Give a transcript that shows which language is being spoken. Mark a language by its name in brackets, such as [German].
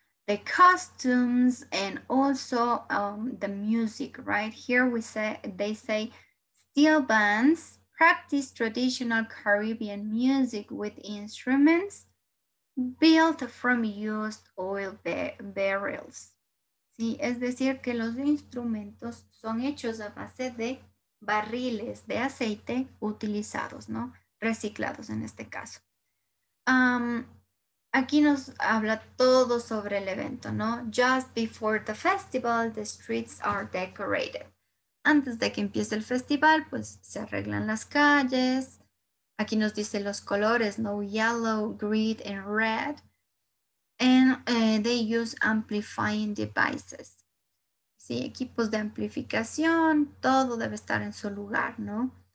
[English] The costumes and also the music, right? Here they say steel bands practice traditional Caribbean music with instruments built from used oil barrels. [Spanish] Sí, es decir, que los instrumentos son hechos a base de barriles de aceite utilizados, ¿no? Reciclados en este caso. Aquí nos habla todo sobre el evento, ¿no? [English] Just before the festival, the streets are decorated. [Spanish] Antes de que empiece el festival, pues se arreglan las calles. Aquí nos dice los colores, ¿no? [English] Yellow, green, and red. And they use amplifying devices. [Spanish] Sí, equipos de amplificación, todo debe estar en su lugar, ¿no?